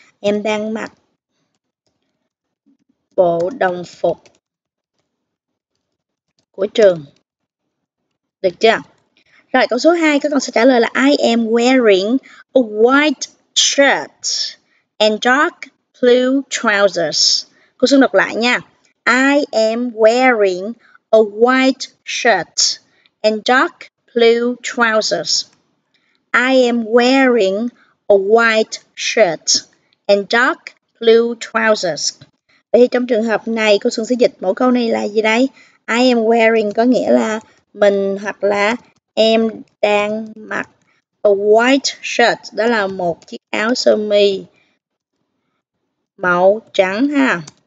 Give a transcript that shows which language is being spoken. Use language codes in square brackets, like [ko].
[vi] Em đang mặc bộ đồng phục của trường. Được chưa? Rồi câu số 2 các con sẽ trả lời là [en] I am wearing a white shirt and dark blue trousers. [vi] Cô Xuân đọc lại nha. [en] I am wearing a white shirt and dark blue trousers. I am wearing a white shirt and dark blue trousers. [vi] Vậy trong trường hợp này cô Xuân sẽ dịch mỗi câu này là gì đây? [en] I am wearing [vi] có nghĩa là mình hoặc là em đang mặc [en] a white shirt, [vi] đó là một chiếc áo sơ mi màu trắng ha.